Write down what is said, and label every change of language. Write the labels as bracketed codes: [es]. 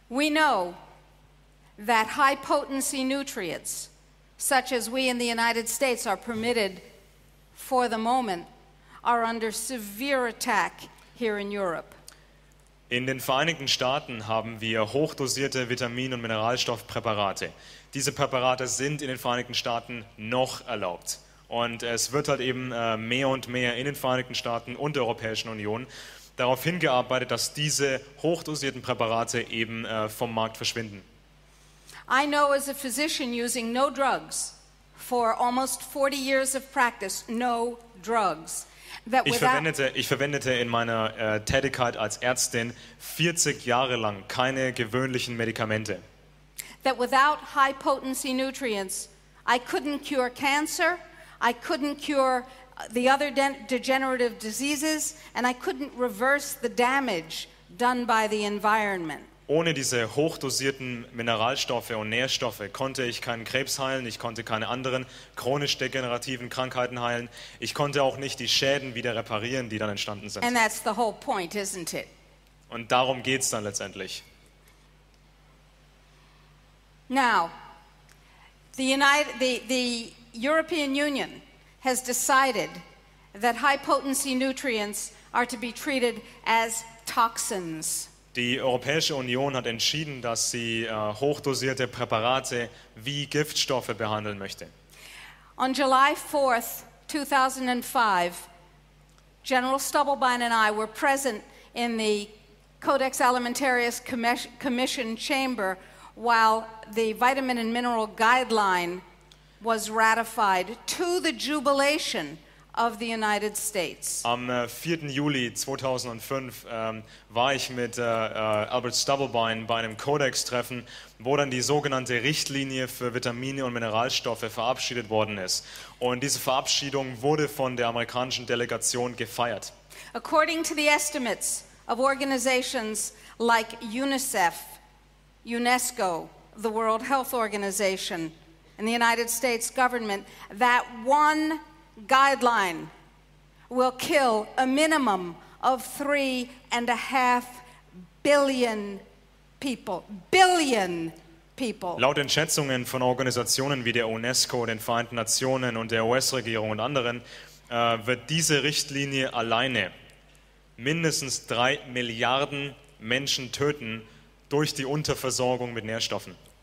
[en] We know that high potency nutrients, such as we in the United States are permitted for the moment, are under severe attack here in Europe. [de] In den Vereinigten Staaten haben wir hochdosierte Vitamin- und Mineralstoffpräparate. Diese Präparate sind in den Vereinigten Staaten noch erlaubt. Und es wird halt eben mehr und mehr in den Vereinigten Staaten und der Europäischen Union darauf hingearbeitet, dass diese hochdosierten Präparate eben vom Markt verschwinden. [en] I know as a physician using no drugs for almost 40 years of practice, no drugs. [de] Ich verwendete in meiner Tätigkeit als Ärztin 40 Jahre lang keine gewöhnlichen Medikamente. [en] That without high potency nutrients, I couldn't cure cancer, I couldn't cure the other degenerative diseases, and I couldn't reverse the damage done by the environment. [de] Ohne diese hochdosierten Mineralstoffe und Nährstoffe konnte ich keinen Krebs heilen, ich konnte keine anderen chronisch degenerativen Krankheiten heilen, ich konnte auch nicht die Schäden wieder reparieren, die dann entstanden sind. [en] And that's the whole point, isn't it? [de] Und darum geht's dann letztendlich. [en] Now, the European Union has decided that high potency nutrients are to be treated as toxins. [de] Die Europäische Union hat entschieden, dass sie hochdosierte Präparate wie Giftstoffe behandeln möchte. [en] On July 4th, 2005, General Stubblebine and I were present in the Codex Alimentarius Commission chamber while the vitamin and mineral guideline was ratified to the jubilation of the United States. [de] Am 4. Juli 2005 war ich mit Albert Stubblebine bei einem Codex-Treffen, wo dann die sogenannte Richtlinie für Vitamine und Mineralstoffe verabschiedet worden ist. Und diese Verabschiedung wurde von der amerikanischen Delegation gefeiert. [en] According to the estimates of organizations like UNICEF, UNESCO, the World Health Organization, and the United States government, that one guideline will kill a minimum of 3.5 billion people. Billion people. [de] Laut den Schätzungen von Organisationen wie der UNESCO, den Vereinten Nationen und der US-Regierung und anderen, wird diese Richtlinie alleine mindestens 3 Milliarden Menschen töten durch die Unterversorgung mit Nährstoffen.